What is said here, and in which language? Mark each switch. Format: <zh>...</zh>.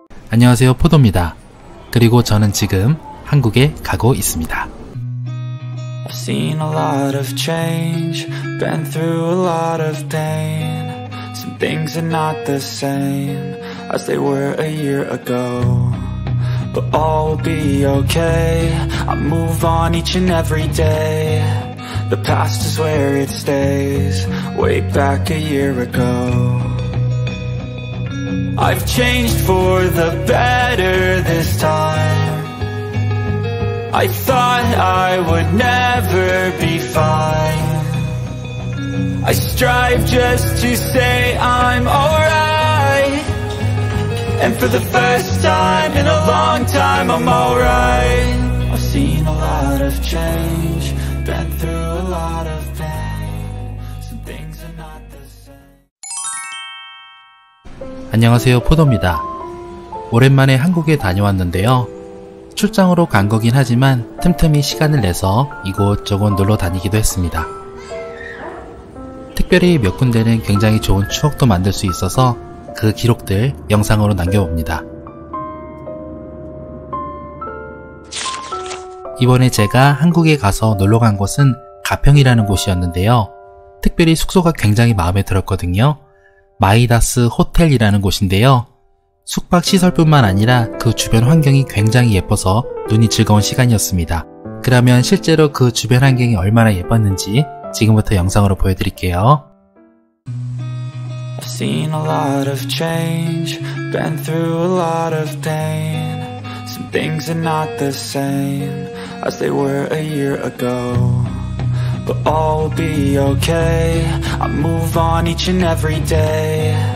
<ko>안녕하세요, 포도입니다. 그리고 저는 지금 한국에 가고 있습니다.</ko> <en>I've seen a lot of change, been through a lot of pain. Some things are not the same as they were a year ago. But all will be okay, I move on each and every day. The past is where it stays, way back a year ago. I've changed for the better this time. I thought I would never be fine. I strive just to say I'm alright. And for the first time in a long time, I'm alright. I've seen a lot of change, been through a lot of pain. Some things are not the same.</en> <ko>안녕하세요, 포도입니다. 오랜만에 한국에 다녀왔는데요. 출장으로 간 거긴 하지만 틈틈이 시간을 내서 이곳저곳 놀러 다니기도 했습니다. 특별히 몇 군데는 굉장히 좋은 추억도 만들 수 있어서 그 기록들 영상으로 남겨봅니다. 이번에 제가 한국에 가서 놀러 간 곳은 가평이라는 곳이었는데요. 특별히 숙소가 굉장히 마음에 들었거든요. 마이다스 호텔이라는 곳인데요. 숙박 시설뿐만 아니라 그 주변 환경이 굉장히 예뻐서 눈이 즐거운 시간이었습니다. 그러면 실제로 그 주변 환경이 얼마나 예뻤는지 지금부터 영상으로 보여드릴게요.</ko> <en>I've seen a lot of change, been through a lot of pain. Some things are not the same as they were a year ago. But all will be okay, I move on each and every day.</en>